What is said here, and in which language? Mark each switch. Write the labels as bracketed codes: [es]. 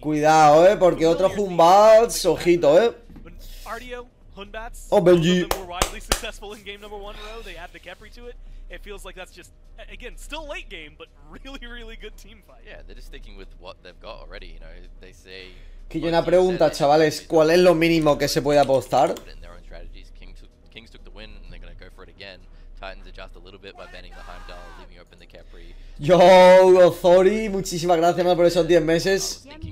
[es] Cuidado, porque otro Humbats, ojito, RDO... Hunbats, oh, Benji. [en] Were widely successful in game number one row. They add the Kepri to it. It feels like that's just, again, still late game, but really, really good team fight. Yeah, they're just sticking with what they've got already. You know, they say. [es] Que yo una pregunta, chavales. ¿Cuál es lo mínimo que se puede apostar? [en] In their own strategies, Kings took the win, and they're gonna go for it again. Titans adjust a little bit by banning the Heimdall, leaving open the Kepri. [es] Yo, Zori, muchísimas gracias, man, por esos 10 meses.